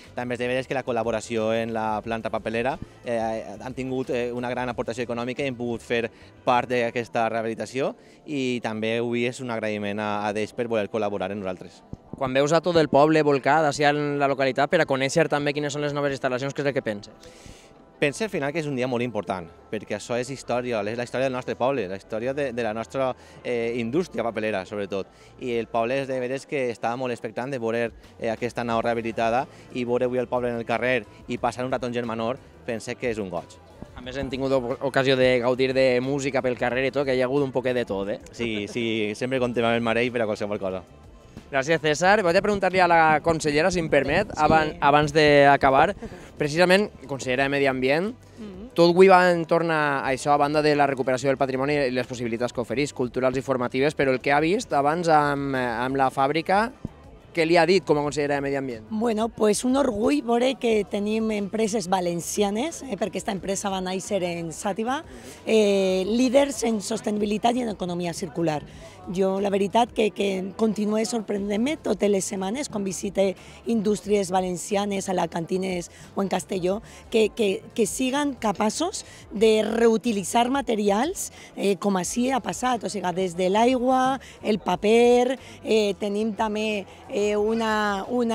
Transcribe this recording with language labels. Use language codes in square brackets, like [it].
[ca] També és de veres que la col·laboració en la planta papelera han tingut una gran aportació econòmica i hem pogut fer part d'aquesta rehabilitació, i també avui és un agraïment a ells per voler col·laborar amb nosaltres. Quan veus a tot el poble volcat, així en la localitat, per a conèixer també quines són les noves instal·lacions, què és el que penses? [es] Pensé al final que es un día muy importante, porque eso es historia, es la historia del nuestro pueblo, la historia de la nuestra industria papelera, sobre todo. Y el pueblo es de ver es que estaba muy expectante de ver esta [ca] nau [es] rehabilitada y ver hoy el pueblo en el [ca] carrer [es] y pasar un rato [ca] en germanor, [es] pensé que es un [ca] goig. A més, hem tingut ocasió de gaudir de música pel carrer i tot, que hi ha hagut un poquet de tot, eh? Sí, sí, sempre comptem amb el Marell per a qualsevol cosa. Gràcies, César. Vaig a preguntar-li a la consellera, si em permet, sí. abans d'acabar. Precisament, consellera de Medi Ambient, tot avui va en torn a això, a banda de la recuperació del patrimoni i les possibilitats que oferís, culturals i formatives, però el que ha vist abans amb la fàbrica, [es] ¿qué le ha dicho como consejera de Medio Ambiente? Bueno, pues un orgullo por que tenemos empresas valencianas, porque esta empresa va a ser en Sátiva, líderes en sostenibilidad y en economía circular. Yo, la verdad, que continúe sorprendiéndome todas las semanas con visite industrias valencianas, alacantines o en Castelló, que sigan capaces de reutilizar materiales como así ha pasado, o sea, desde el agua, el papel, tenemos también una